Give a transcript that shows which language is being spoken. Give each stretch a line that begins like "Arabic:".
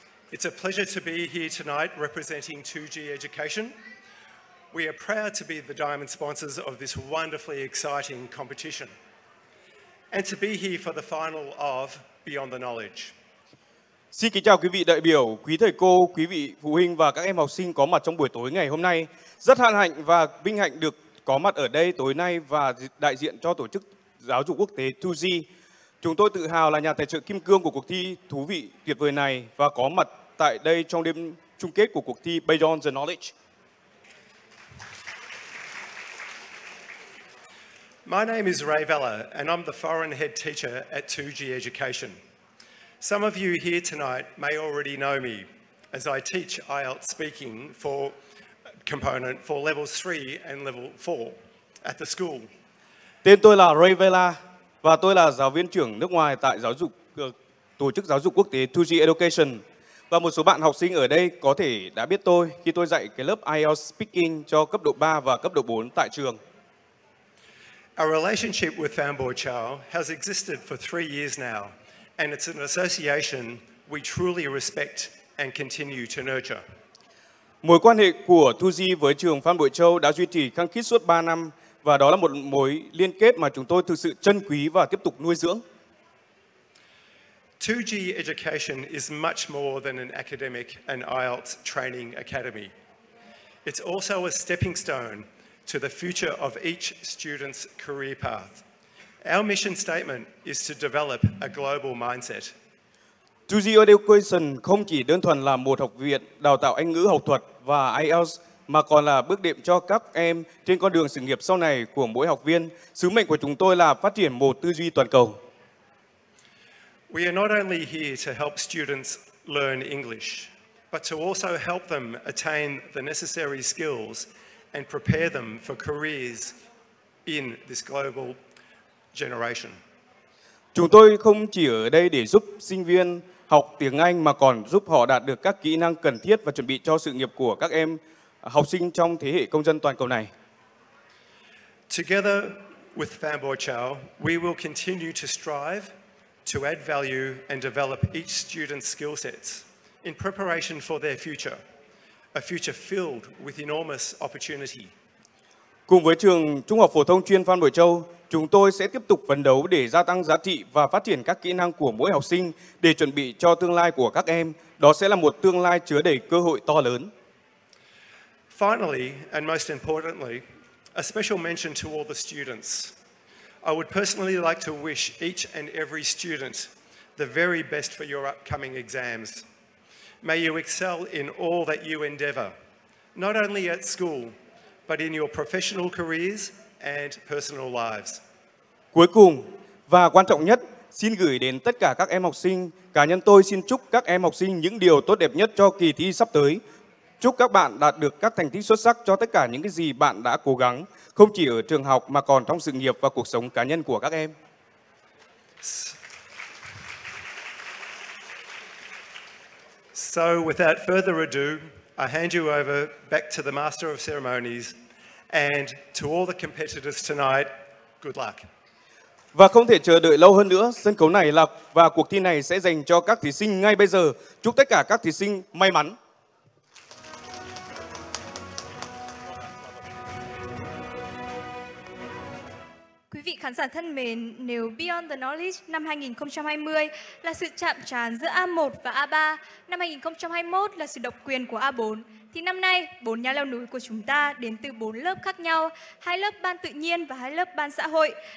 English: It's a pleasure to be here tonight representing 2G Education. We are proud to be the diamond sponsors of this wonderfully exciting competition and to be here for the final of Beyond the Knowledge.
Vietnamese: Xin kính chào quý vị đại biểu, quý thầy cô, quý vị phụ huynh và các em học sinh có mặt trong buổi tối ngày hôm nay. Rất hân hạnh và vinh hạnh được có mặt ở đây tối nay và đại diện cho tổ chức giáo dục quốc tế 2G. Chúng tôi tự hào là nhà tài trợ kim cương của cuộc thi thú vị tuyệt vời này và có mặt tại đây trong đêm chung kết của cuộc thi Beyond the Knowledge.
English: My name is Ray Vella and I'm the foreign head teacher at 2G Education. Some of you here tonight may already know me as I teach IELTS speaking for component for levels 3 and level 4 at the school.
Vietnamese: Tên tôi là Ray Vella và tôi là giáo viên trưởng nước ngoài tại giáo dục tổ chức giáo dục quốc tế 2G Education. Và một số bạn học sinh ở đây có thể đã biết tôi khi tôi dạy cái lớp IELTS speaking cho cấp độ 3 và cấp độ 4 tại trường.
English: Our relationship with Phanboy Chow has existed for 3 years now and it's an association we truly respect and continue to nurture.
Vietnamese: Mối quan hệ của 2G với trường Phan Bội Châu đã duy trì khăng khít suốt 3 năm và đó là một mối liên kết mà chúng tôi thực sự trân quý và tiếp tục nuôi dưỡng.
English: 2G Education is much more than an academic and IELTS training academy. It's also a stepping stone to the future of each student's career path. Our mission statement is to develop a global mindset.
Vietnamese: 2G Education không chỉ đơn thuần là một học viện đào tạo Anh ngữ học thuật và IELTS mà còn là bước đệm cho các em trên con đường sự nghiệp sau này của mỗi học viên. Sứ mệnh của chúng tôi là phát triển một tư duy toàn cầu.
English: We are not only here to help students learn English, but to also help them attain the necessary skills and prepare them for careers in this global generation.
Vietnamese: Chúng tôi không chỉ ở đây để giúp sinh viên học tiếng Anh mà còn giúp họ đạt được các kỹ năng cần thiết và chuẩn bị cho sự nghiệp của các em học sinh trong thế hệ công dân toàn cầu này.
English: Together with Phanboy Chow, we will continue to strive to add value and develop each student's skill sets in preparation for their future, a future filled with enormous opportunity.
Vietnamese: Cùng với trường Trung học phổ thông chuyên Phan Bội Châu, chúng tôi sẽ tiếp tục phấn đấu để gia tăng giá trị và phát triển các kỹ năng của mỗi học sinh để chuẩn bị cho tương lai của các em. Đó sẽ là một tương lai chứa đầy cơ hội to lớn.
English: Finally, and most importantly, a special mention to all the students. I would personally like to wish each and every student the very best for your upcoming exams. May you excel in all that you endeavor, not only at school, but in your professional careers and personal lives.
Vietnamese: Cuối cùng và quan trọng nhất, xin gửi đến tất cả các em học sinh, cá nhân tôi xin chúc các em học sinh những điều tốt đẹp nhất cho kỳ thi sắp tới. Chúc các bạn đạt được các thành tích xuất sắc cho tất cả những cái gì bạn đã cố gắng, không chỉ ở trường học mà còn trong sự nghiệp và cuộc sống cá nhân của các em.
English: So without further ado, I hand you over back to the Master of Ceremonies and to all the competitors tonight, good luck.
Vietnamese: Và không thể chờ đợi lâu hơn nữa, sân khấu này là và cuộc thi này sẽ dành cho các thí sinh ngay bây giờ. Chúc tất cả các thí sinh may mắn. Quý vị khán giả thân mến, nếu Beyond the Knowledge năm 2020 là sự chạm trán giữa A1 và A3, năm 2021 là sự độc quyền của A4, thì năm nay, bốn nhà leo núi của chúng ta đến từ bốn lớp khác nhau, hai lớp ban tự nhiên và hai lớp ban xã hội.